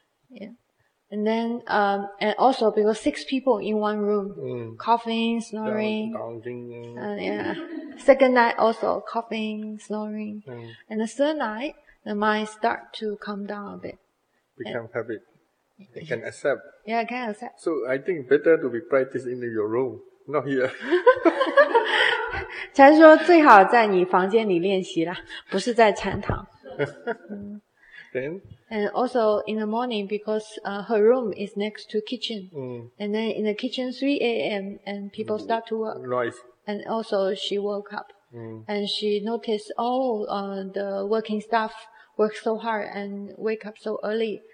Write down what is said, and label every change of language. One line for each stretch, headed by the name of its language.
English: Yeah, and then and also because six people in one room, coughing, snoring, yeah. Second night also coughing, snoring, and the third night the mind start to calm down a bit. Become habit. You can accept. Yeah, I can accept. So I think better to be practicing in your room, not here.
Chinese: 禅说最好在你房间里练习啦，不是在禅堂。
English: Then? And also in the morning because her room is next to kitchen. And then in the kitchen 3 a.m. and people start to work. Noise. And also she woke up. And she noticed the working staff work so hard and wake up so early.